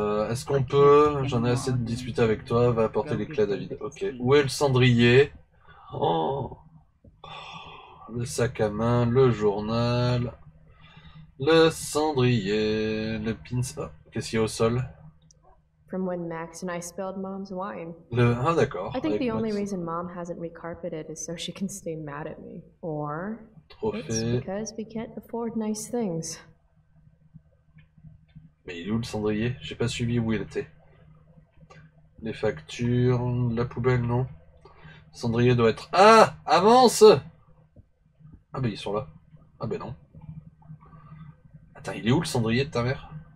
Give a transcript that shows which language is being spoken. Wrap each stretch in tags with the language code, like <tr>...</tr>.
<fr>Est-ce qu'on peut... J'en ai assez de disputer avec toi, va apporter les clés à David. Ok. Où est le cendrier? Oh. Le sac à main, le journal, le cendrier, le pins... Oh, qu'est-ce qu'il y a au sol?</fr> <en>From when Max and I spilled Mom's wine.</en> <fr>Le... Ah, d'accord.</fr> <en>I think the only reason Mom hasn't recarpeted is so she can stay mad at me. Or...</en> <fr>Trophée.</fr> <en>It's because we can't afford nice things.</en> <fr>Mais il est où le cendrier? J'ai pas suivi où il était. Les factures, la poubelle, non? Le cendrier doit être... Ah! Avance! Ah ben ils sont là. Ah ben non. Attends, il est où le cendrier de ta mère?</fr>